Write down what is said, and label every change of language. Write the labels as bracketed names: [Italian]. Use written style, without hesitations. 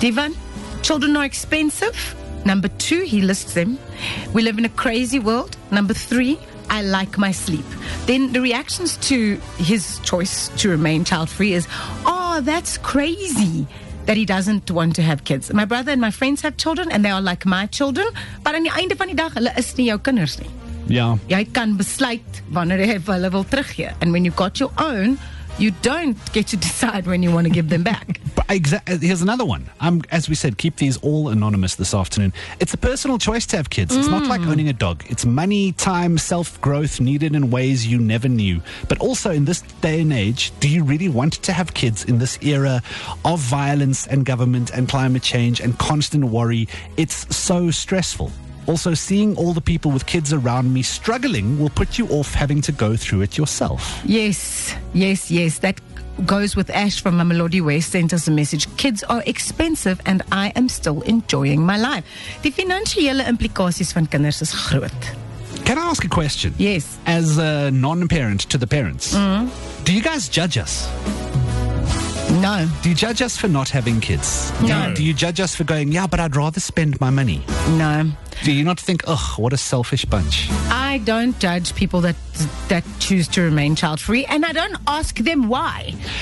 [English] Devon, children are expensive. Number two, he lists them. We live in a crazy world. Number three, I like my sleep. Then the reactions to his choice to remain child-free is, oh, that's crazy that he doesn't want to have kids. My brother and my friends have children and they are like my children. [Afrikaans] But aan die einde van die dag, hulle is nie jou kinders nie. Ja. Jy kan besluit wanneer jy hulle wil teruggee. [English] And when you've got your own, you don't get to decide when you want to give them back. Here's another one. As we said, keep these all anonymous this afternoon. It's a personal choice to have kids. It's not like owning a dog. It's money, time, self-growth needed in ways you never knew. But also in this day and age, do you really want to have kids in this era of violence and government and climate change and constant worry? It's so stressful. Also, seeing all the people with kids around me struggling will put you off having to go through it yourself. Yes, yes, yes. That goes with Ash from Mamelodi West, sent us a message. Kids are expensive and I am still enjoying my life. [Afrikaans] Die finansiële implikasies van kinders is groot. [English] Can I ask a question? Yes. As a non-parent to the parents, do you guys judge us? No. Do you judge us for not having kids? No. Do you judge us for going, yeah, but I'd rather spend my money? No. Do you not think, ugh, what a selfish bunch? I don't judge people that choose to remain child-free, and I don't ask them why.